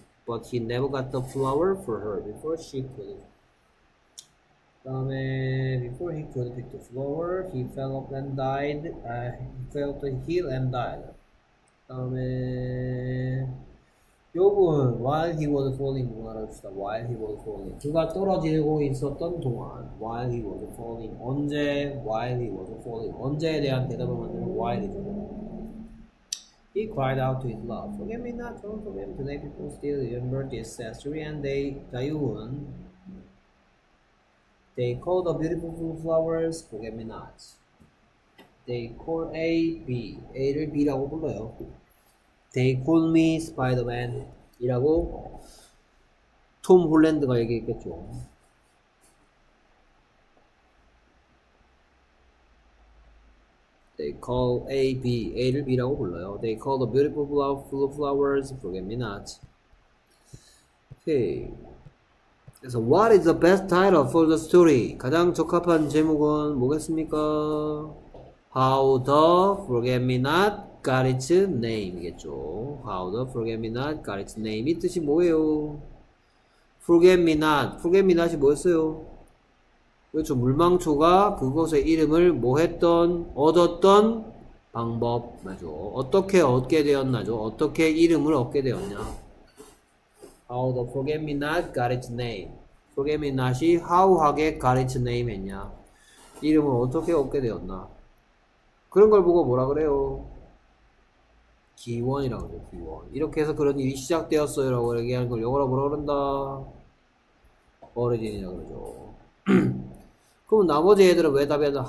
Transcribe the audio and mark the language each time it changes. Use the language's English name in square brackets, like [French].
[English] But he never got the flower for her before she could. [Korean] 다음에 [English] before he could pick the flower, he fell off and died. He fell to the hill and died. 다음에 [Korean] 요건 [English] while he was falling [Korean] 동화를 합시다. [English] While he was falling. [Korean] 그가 떨어지고 있었던 동안. [English] While he was falling. [Korean] 언제? [English] While he was falling. [Korean] 언제에 대한 대답을 만드는 [English] while이죠. He cried out to his love. Forget me not, don't forget me today. People still remember this history and they, 다유은. They call the beautiful flowers. Forget me not. They call A, B. [Korean] A를 B라고 불러요. [English] They call me Spider-Man. [Korean] 이라고 톰 홀랜드가 얘기했겠죠. 네, call A, B, A를 B라고 불러요. [English] They call the beautiful flowers, forget me not. [Korean] 오케이. 그래서 [English] what is the best title for the story? [Korean] 가장 적합한 제목은 뭐겠습니까? [English] How the forget me not got its name이겠죠. How the forget me not got its name. [Korean] 이 뜻이 뭐예요? [English] forget me not [Korean] 이 뭐였어요? 그렇죠. 물망초가 그것의 이름을 뭐 했던, 얻었던 방법. 맞죠. 어떻게 얻게 되었나죠. 어떻게 이름을 얻게 되었냐. [English] How the forget me not got its name. forget me not이 how하게 got its name 했냐. [Korean] 이름을 어떻게 얻게 되었나. 그런 걸 보고 뭐라 그래요? 기원이라고 그러죠. 기원. 이렇게 해서 그런 일이 시작되었어요라고 얘기하는 걸 영어로 뭐라 그런다? 어리진이라고 그러죠. 그럼 나머지 애들은 왜 답이냐?